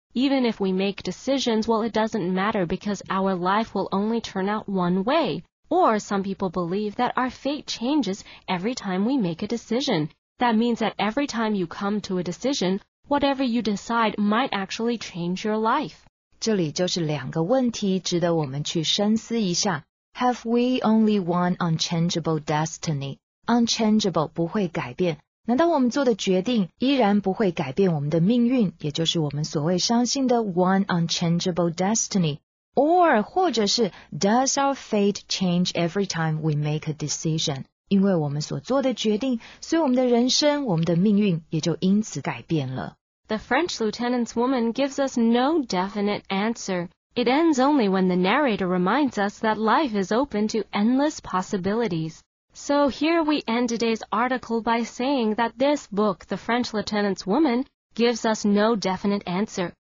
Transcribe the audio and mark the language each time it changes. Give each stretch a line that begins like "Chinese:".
English: Even if we make decisions, well, it doesn't matter because our life will only turn out one way. Or some people believe that our fate changes every time we make a decision. That means that every time you come to a decision, whatever you decide might actually change your life.
Chinese: 这里就是两个问题值得我们去深思一下。
English: Have we only one unchangeable destiny?
Chinese: Unchangeable 不会改变。难道我们做的决定依然不会改变我们的命运，也就是我们所谓相信的
English: one unchangeable destiny? Or
Chinese: 或者是
English: does our fate change every time we make a decision?
Chinese: 因为我们所做的决定，所以我们的人生，我们的命运也就因此改变了。
English: The French lieutenant's woman gives us no definite answer. It ends only when the narrator reminds us that life is open to endless possibilities. So here we end today's article by saying that this book, The French Lieutenant's Woman, gives us no definite answer.